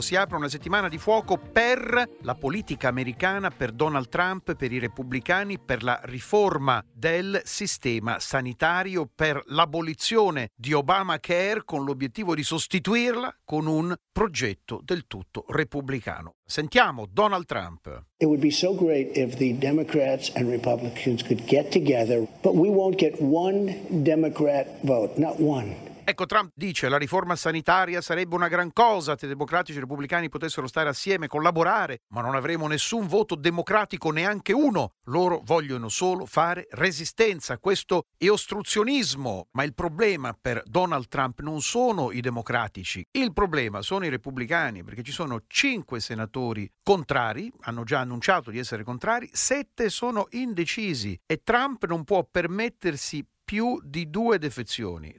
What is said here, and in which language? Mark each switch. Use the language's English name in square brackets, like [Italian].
[Italian] Si apre una settimana di fuoco per la politica americana, per Donald Trump, per i repubblicani, per la riforma del sistema sanitario, per l'abolizione di Obamacare con l'obiettivo di sostituirla con un progetto del tutto repubblicano. Sentiamo Donald Trump. [English] It would be so great if the Democrats and Republicans could get together, but we won't get one Democrat vote, not one. [Italian] Ecco, Trump dice la riforma sanitaria sarebbe una gran cosa se i democratici e i repubblicani potessero stare assieme, collaborare, ma non avremo nessun voto democratico, neanche uno. Loro vogliono solo fare resistenza, questo è ostruzionismo. Ma il problema per Donald Trump non sono i democratici, il problema sono i repubblicani, perché ci sono 5 senatori contrari, hanno già annunciato di essere contrari, 7 sono indecisi e Trump non può permettersi più di 2 defezioni.